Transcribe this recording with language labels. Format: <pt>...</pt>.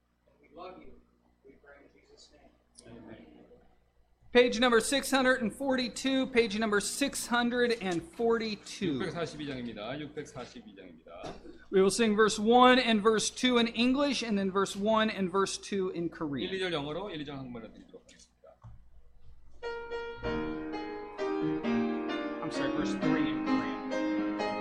<en>And we love you. We pray in Jesus' name. Amen. Page number 642, page number 642.</en> <ko>642장입니다. 642장입니다.</ko> <en>We will sing verse 1 and verse 2 in English and then verse 1 and verse 2 in Korean.</en> <ko>1, 2절 영어로, 1, 2절 한국말로 드리도록 하겠습니다.</ko> <en>I'm sorry, verse 3 in Korean.</en>